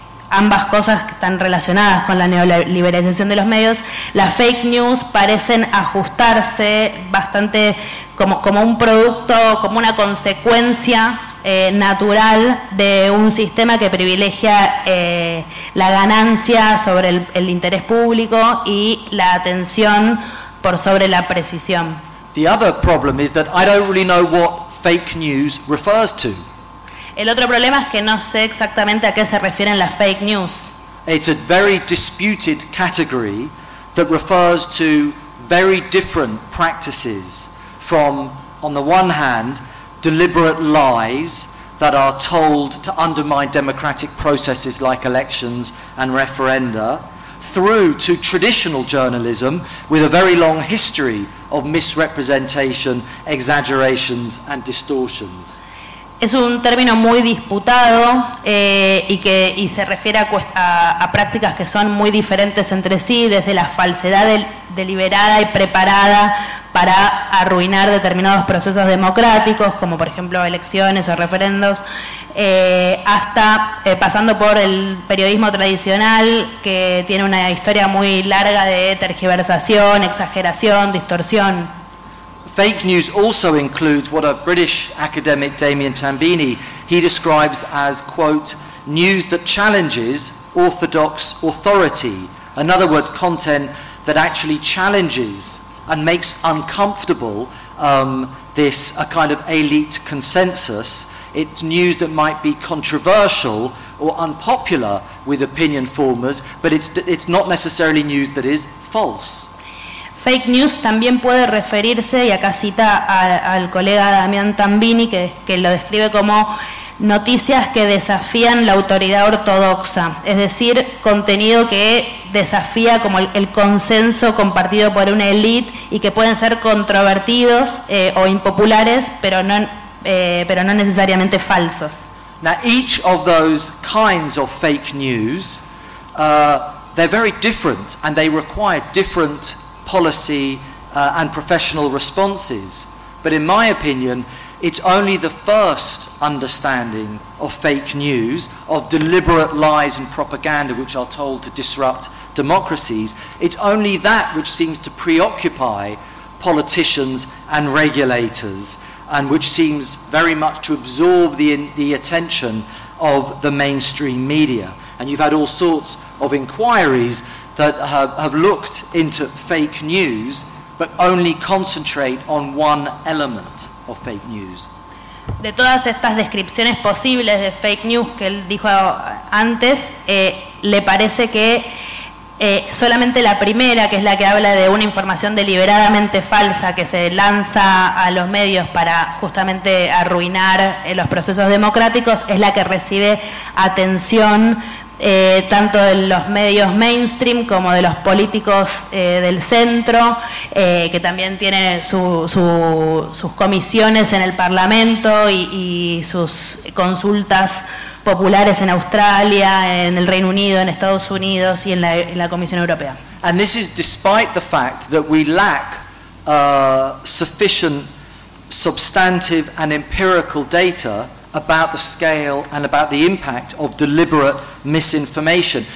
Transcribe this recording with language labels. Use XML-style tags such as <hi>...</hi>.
<es>ambas cosas están relacionadas con la neoliberalización de los medios, las fake news parecen ajustarse bastante como un producto, como una consecuencia natural de un sistema que privilegia la ganancia sobre el interés público y la atención por sobre la precisión.</es> <en>The other problem is that I don't really know what fake news refers to.</en> <es>El otro problema es que no sé exactamente a qué se refieren las fake news.</es> <en>It's a very disputed category that refers to very different practices from, on the one hand, deliberate lies that are told to undermine democratic processes like elections and referenda, through to traditional journalism with a very long history of misrepresentation, exaggerations and distortions.</en> <es>Es un término muy disputado y se refiere a prácticas que son muy diferentes entre sí, desde la falsedad deliberada y preparada para arruinar determinados procesos democráticos, como por ejemplo elecciones o referendos, hasta pasando por el periodismo tradicional, que tiene una historia muy larga de tergiversación, exageración, distorsión.</es> <en>Fake news also includes what a British academic, Damian Tambini, he describes as, quote, news that challenges orthodox authority. In other words, content that actually challenges and makes uncomfortable a kind of elite consensus. It's news that might be controversial or unpopular with opinion formers, but it's not necessarily news that is false.</en> <es>Fake news también puede referirse, y acá cita al colega Damián Tambini, que lo describe como noticias que desafían la autoridad ortodoxa, es decir, contenido que desafía como el consenso compartido por una élite y que pueden ser controvertidos o impopulares, pero no necesariamente falsos.</es> <en>Now, each of those kinds of fake news, they're very different and they require different policy and professional responses, but in my opinion, It's only the first understanding of fake news, of deliberate lies and propaganda which are told to disrupt democracies. It's only that which seems to preoccupy politicians and regulators, and which seems very much to absorb the attention of the mainstream media. And you've had all sorts of inquiries that have looked into fake news, but only concentrate on one element of fake news.</en> <es>De todas estas descripciones posibles de fake news que él dijo antes, le parece que solamente la primera, que es la que habla de una información deliberadamente falsa que se lanza a los medios para justamente arruinar los procesos democráticos, es la que recibe atención tanto de los medios mainstream como de los políticos del centro, que también tiene sus comisiones en el Parlamento y sus consultas populares en Australia, en el Reino Unido, en Estados Unidos y en la Comisión Europea.</es> <en>And this is despite the fact that we lack sufficient substantive and empirical data about the scale and about the impact of deliberate misinformation.</en>